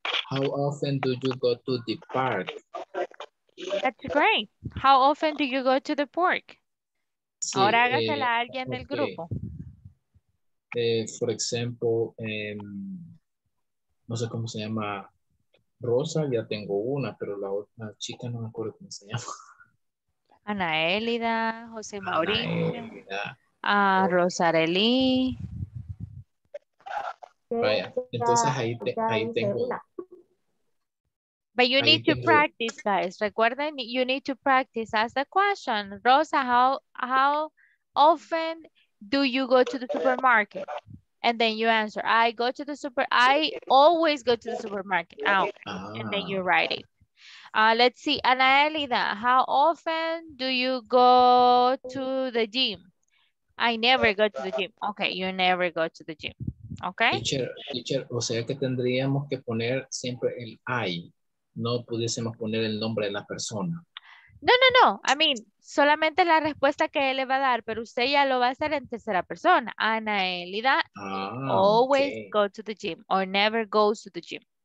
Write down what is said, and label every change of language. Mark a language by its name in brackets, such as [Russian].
[English] How often do you go to the park? That's great. How often do you go to the park? [Spanish] Sí, ahora hágasela a alguien del grupo. [English] For example, [Spanish] no sé cómo se llama Rosa, ya tengo una, pero la otra chica no me acuerdo cómo se llama. Ana Elida, José Mauricio, Rosarelli. Vaya, entonces ahí tengo. [English] But you need to practice, guys. [Spanish] Recuerden, [English] you need to practice. Ask the question, Rosa, how often do you go to the supermarket? And then you answer, I always go to the supermarket. Oh, okay. And then you write it. Let's see, Ana Elida, how often do you go to the gym? I never go to the gym. Okay, you never go to the gym. Okay? [Spanish] Teacher, o sea que tendríamos que poner siempre el I. No pudiésemos poner el nombre de la persona. No, no, no. [English] I mean, [Spanish] solamente la respuesta que él le va a dar, pero usted ya lo va a hacer en tercera persona. [English] Ana Elida always okay. go to the gym or never goes to the gym.